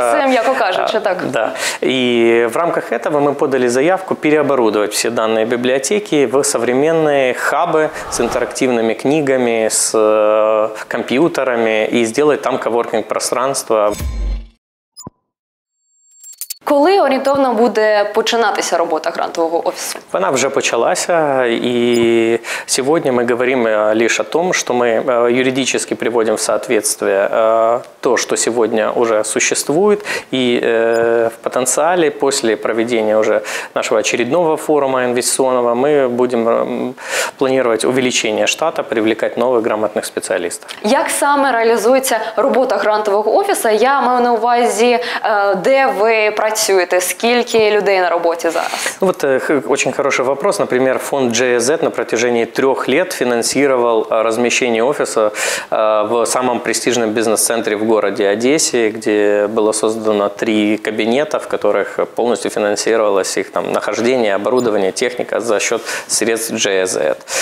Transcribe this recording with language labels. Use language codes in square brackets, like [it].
[ru] Сам я покажу, что так. Да. И в рамках этого мы подали заявку переоборудовать все данные библиотеки в современные хабы с интерактивными книгами, с компьютерами и сделать там коворкинг-пространство. [uk] Коли орієнтовно буде починатися робота грантового офісу? Вона вже почалася, і сьогодні ми говоримо лише о тому, що ми юридично приводимо в [ru] соответствие [uk] то, що сьогодні вже существує, і в потенціалі після проведення вже нашого [ru] очередного [uk] форуму інвестиційного ми будемо планувати увеличення штату, привлекати нових грамотних спеціалістів. Як саме реалізується робота грантового офісу? Я маю на увазі, де ви працюєте? [ru] Сколько людей на работе [uk] зараз? [ru] Вот очень хороший вопрос. Например, фонд JZ на протяжении 3 лет финансировал размещение офиса в самом престижном бизнес-центре в городе Одессе, где было создано 3 кабинета, в которых полностью финансировалось их там нахождение, оборудование, техника за счет средств JZ.